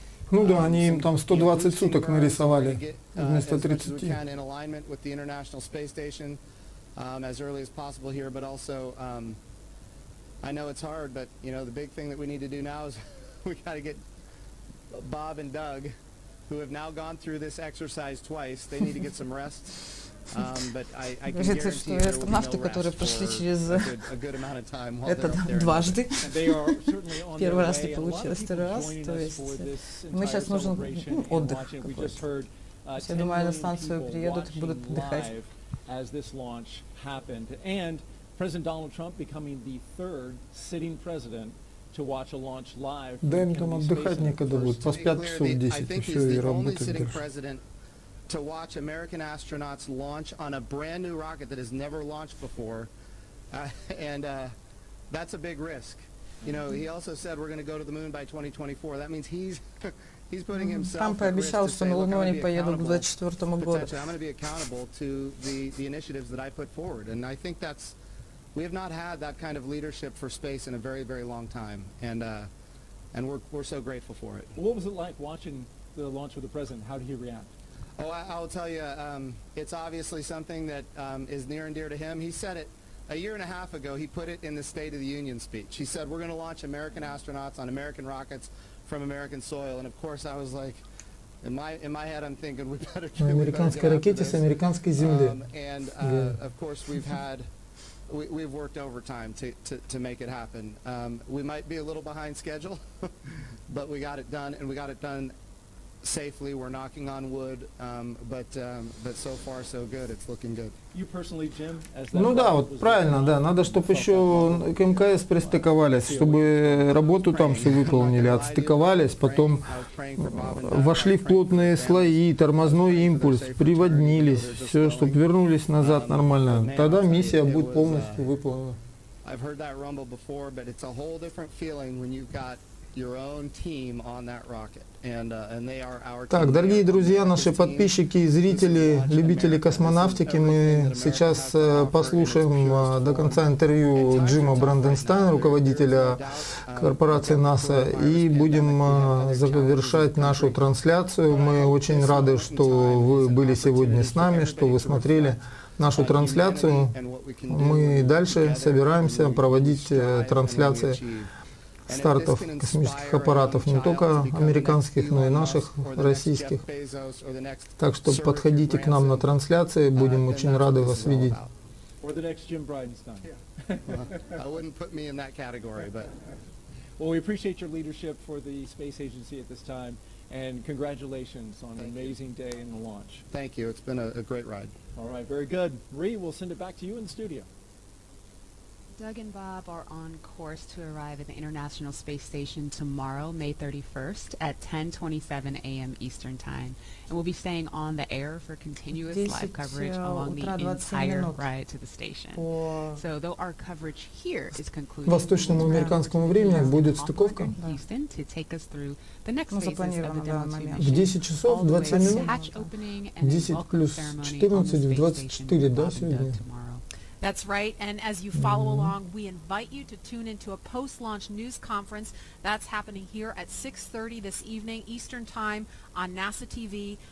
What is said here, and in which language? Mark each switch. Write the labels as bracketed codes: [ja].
[ru] Ну да, они им там 120 суток нарисовали вместо 30. [en] as early as possible here, but also I know it's hard, but you know, the big thing that we need to do now is we got to get Bob and Doug, who have now gone through this exercise twice. They need to get some rest. [ru] Говорится, что астронавты, которые прошли через это дважды, первый раз не получилось, второй раз, то есть мы сейчас нужен отдых какой-то. Я думаю, на станцию приедут и будут отдыхать. Да им там отдыхать некогда будет, поспят часов 10 и все, и работать дальше. [en] To watch American astronauts launch on a brand new rocket that has never launched before, and that's a big risk. You know, he also said we're going to go to the moon by 2024. That means he's putting himself. [ru] Там пообещал, что на Луну они поедут к 2024 году. [en] I'm going to be accountable to the initiatives that I put forward, and I think that's we have not had that kind of leadership for space in a very very long time, and we're so grateful for it. What was it like watching the launch with the president? How did he react? Oh, I'll tell you, it's obviously something that is near and dear to him. He said it a year and a half ago. He put it in the State of the Union speech. He said, we're going to launch American astronauts on American rockets from American soil. And, of course, I was like, in my head, I'm thinking, we better get [ru] американской ракете с американской земли. [en] And, of course, we've worked overtime to make it happen. We might be a little behind schedule, but we got it done, and we got it done safely. We're knocking on wood, but so far so good. It's looking good. You personally, Jim, as [ru] ну да, вот правильно, да. Надо, чтобы еще к МКС пристыковались, чтобы работу там все выполнили, отстыковались, потом вошли в плотные слои, тормозной импульс, приводнились, все, чтобы вернулись назад нормально. Тогда миссия будет полностью выполнена. [en] I've heard that rumble before, but it's a whole different feeling when you've got your own team on that rocket. And they are our team. [ru] Так, дорогие друзья, наши подписчики и зрители, любители космонавтики, мы сейчас послушаем до конца интервью Джима Бранденстайна, руководителя корпорации НАСА, и будем завершать нашу трансляцию. Мы очень рады, что вы были сегодня с нами, что вы смотрели нашу трансляцию. Мы дальше собираемся проводить трансляции стартов космических аппаратов, не только американских, но и наших, российских. Так что подходите к нам на трансляции, будем очень рады вас видеть. [en] And congratulations on an amazing day in the launch. Thank you. It's been a great ride. All right, very good. Ree, we'll send it back to you in the studio. Doug and Bob are on course to arrive at the International Space Station tomorrow, May 31st, at 10:27 a.m. Eastern Time. And we'll be staying on the air for continuous live coverage along the entire ride to the station. So though our coverage here is concluded, [ru] восточному американскому времени будет стыковка. [en] Houston to take us through the next phases of the Demo-2 mission. [ru] В 10 часов 20 минут. 10 + 14 = 24, да, сегодня? [en] That's right, and as you follow along, we invite you to tune into a post-launch news conference that's happening here at 6:30 this evening, Eastern Time, on NASA TV.